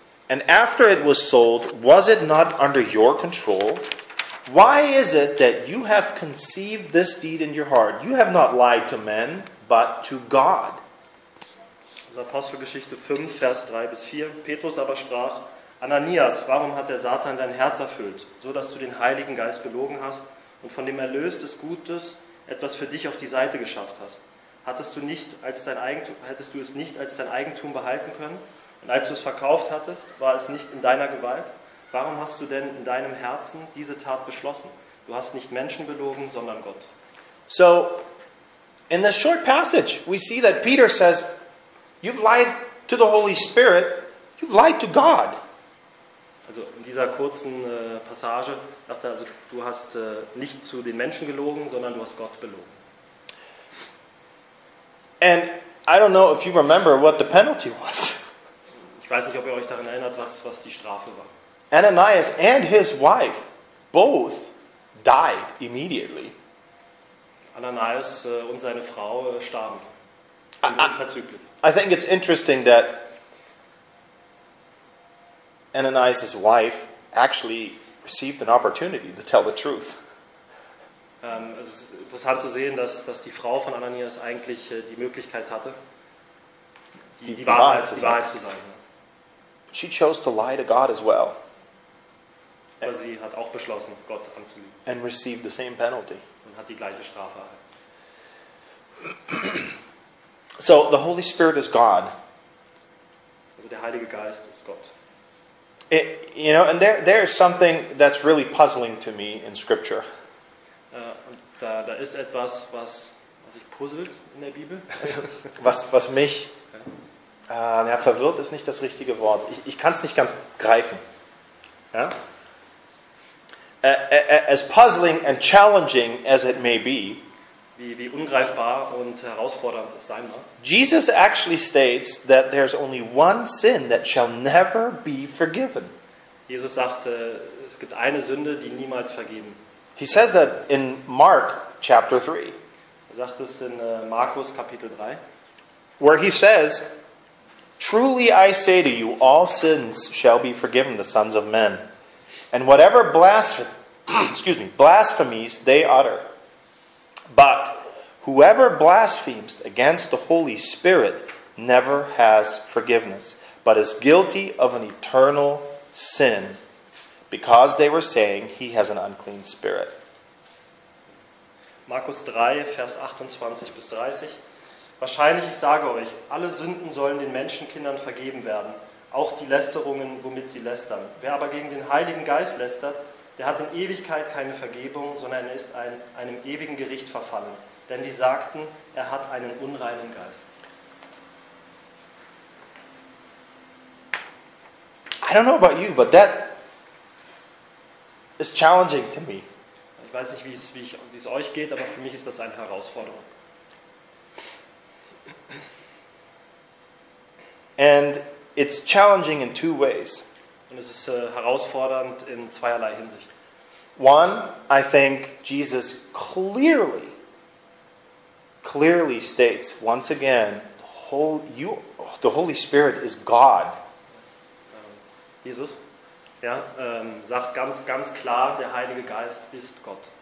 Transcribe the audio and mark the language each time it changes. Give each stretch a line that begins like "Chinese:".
English: And after it was sold, was it not under your control? Why is it that you have conceived this deed in your heart? You have not lied to men, but to God.
German: Apostelgeschichte 5, Vers 3 bis 4. Petrus aber sprach, Ananias, warum hat der Satan dein Herz erfüllt, so dass du den Heiligen Geist belogen hast und von dem Erlös des Gutes etwas für dich auf die Seite geschafft hast? Hättest du es nicht als dein Eigentum behalten können? Und als du es verkauft hattest, war es nicht in deiner Gewalt? Warum hast du denn in deinem Herzen diese Tat beschlossen? Du hast nicht Menschen belogen, sondern Gott.
English: So, in this short passage, we see that Peter says, you've lied to the Holy Spirit, you've lied to God.
German: Also in dieser kurzen Passage sagt er, also, du hast nicht zu den Menschen gelogen, sondern du hast Gott belogen.
English: And I don't know if you remember what the penalty was.
German: Ich weiß nicht, ob ihr euch daran erinnert, was die Strafe war.
English: Ananias and his wife both died immediately.
German: Ananias und seine Frau starben unverzüglich.
English: I think it's interesting that Ananias' wife actually received an opportunity to tell the truth.
German: Es ist interessant zu sehen, dass die Frau von Ananias eigentlich die Möglichkeit hatte, die Wahrheit zu sagen.
English: She chose to lie to God as well.
German: Aber sie hat auch beschlossen, Gott anzulügen.
English: And received the same penalty.
German: Und hat die gleiche Strafe erhalten.
English: So the Holy Spirit is God.
German: Also der Heilige Geist ist Gott.
English: There is something that's really puzzling to me in Scripture.
German: Da ist etwas, was ich puzzelt in der Bibel. was mich verwirrt ist nicht das richtige Wort. Ich kann es nicht ganz greifen. Ja?
English: As puzzling and challenging as it may be.
German: Wie ungreifbar und herausfordernd es sein mag.
English: Jesus actually states that there's only one sin that shall never be forgiven.
German: Jesus sagte, es gibt eine Sünde, die niemals vergeben.
English: He says that in Mark chapter 3.
German: Er sagt es in Markus Kapitel 3.
English: Where he says, truly I say to you, all sins shall be forgiven the sons of men. And whatever blasphemies they utter. But whoever blasphemes against the Holy Spirit never has forgiveness, but is guilty of an eternal sin, because they were saying he has an unclean spirit.
German: Markus 3, Vers 28 bis 30. Wahrscheinlich, ich sage euch, alle Sünden sollen den Menschenkindern vergeben werden, auch die Lästerungen, womit sie lästern. Wer aber gegen den Heiligen Geist lästert, der hat in Ewigkeit keine Vergebung, sondern er ist einem ewigen Gericht verfallen. Denn die sagten, er hat einen unreinen Geist.
English: I don't know about you, but that is challenging to me.
German: Ich weiß nicht, wie es euch geht, aber für mich ist das eine Herausforderung.
English: And it's challenging in two ways.
German: Und es ist herausfordernd in zweierlei Hinsicht.
English: One, I think Jesus clearly states once again, the Holy Spirit is God.
German: Jesus, ja, sagt ganz ganz klar, der Heilige Geist ist Gott.